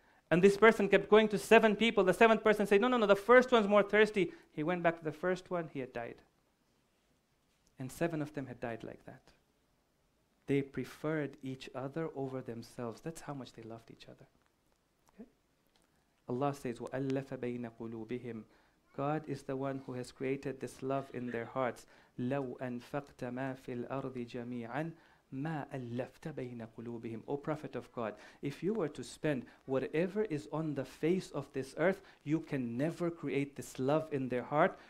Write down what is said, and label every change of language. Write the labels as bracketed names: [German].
[English] And this person kept going to seven people. The seventh person said, no, the first one's more thirsty. He went back to the first one. He had died. And seven of them had died like that. They preferred each other over themselves. That's how much they loved each other. Okay? Allah says, [Arabic] وَأَلَّفَ بَيْنَ قُلُوبِهِمْ. [English] God is the one who has created this love in their hearts. [Arabic] لَوْ أَنْفَقْتَ مَا فِي الْأَرْضِ جَمِيعًا مَا أَلَّفْتَ بَيْنَ قُلُوبِهِمْ. [English] O Prophet of God, if you were to spend whatever is on the face of this earth, you can never create this love in their heart.